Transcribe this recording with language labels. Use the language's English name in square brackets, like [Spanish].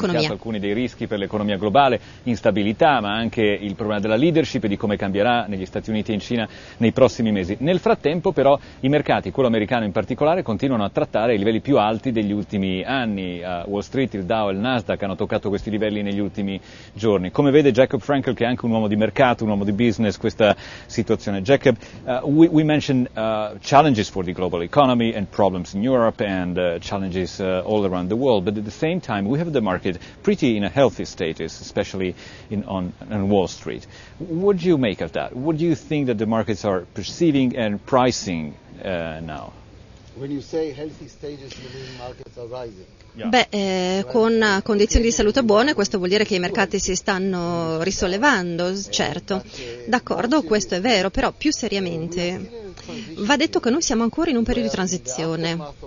[Italian] Abbiamo evidenziato alcuni dei rischi per l'economia globale, instabilità, ma anche il problema della leadership e di come cambierà negli Stati Uniti e in Cina nei prossimi mesi. Nel frattempo però i mercati, quello americano in particolare, continuano a trattare i livelli più alti degli ultimi anni. Wall Street, il Dow e il Nasdaq hanno toccato questi livelli negli ultimi giorni. Come vede Jacob Frankel, che è anche un uomo di mercato, un uomo di business, questa situazione? [English] Jacob, we mentioned challenges for the global economy and problems in Europe and challenges all around the world, but at the same time we have the market pretty in a healthy status, especially on Wall Street. What do you make of that? What do you think that the markets are perceiving and pricing now? When you say healthy stages, you mean markets are rising. [Italian] Beh, con condizioni di salute buone, questo vuol dire che i mercati si stanno risollevando, certo. D'accordo, questo è vero, però più seriamente va detto che noi siamo ancora in un periodo di transizione.